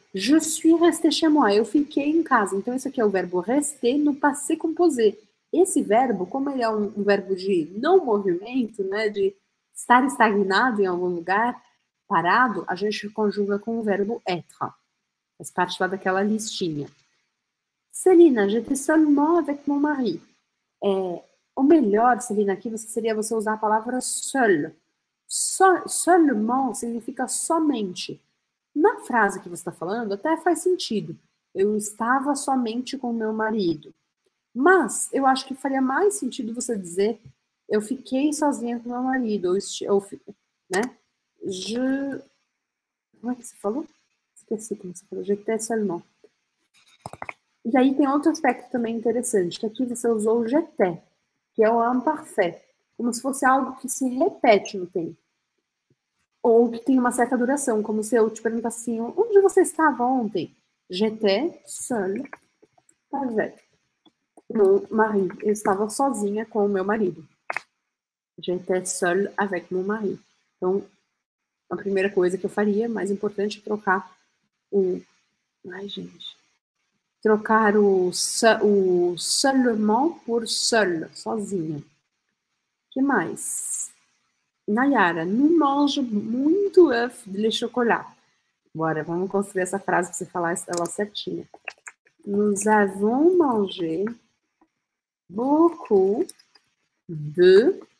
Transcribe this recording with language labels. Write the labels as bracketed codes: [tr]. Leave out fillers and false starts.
[fr] Je suis resté chez moi. [pt] Eu fiquei em casa. Então, isso aqui é o verbo rester no passé composé. Esse verbo, como ele é um verbo de não movimento, né, de estar estagnado em algum lugar, parado, a gente conjuga com o verbo être. Faz parte lá daquela listinha. [fr] Céline, j'étais seulement avec mon mari. [pt] O melhor, Céline, aqui você seria você usar a palavra seul. Seulement significa somente. Na frase que você está falando, até faz sentido. Eu estava somente com meu marido. Mas eu acho que faria mais sentido você dizer eu fiquei sozinha com meu marido. Né? Como é que você falou? Esqueci como você falou. [fr] J'étais seulement. [pt] E aí tem outro aspecto também interessante, que aqui você usou o jeté, que é o imparfait, como se fosse algo que se repete no tempo. Ou que tem uma certa duração, como se eu te perguntasse assim, onde você estava ontem? [fr] J'étais seule avec mon mari. [pt] Eu estava sozinha com o meu marido. [fr] J'étais seule avec mon mari. [pt] Então, a primeira coisa que eu faria, mais importante, é trocar o... Ai, gente. Trocar o seulement por seule, sozinha. Que mais? Nayara, não manjo muito [fr] œuf de chocolat. [pt] Bora, vamos construir essa frase para você falar ela certinha. [fr] Nous avons mangé beaucoup de.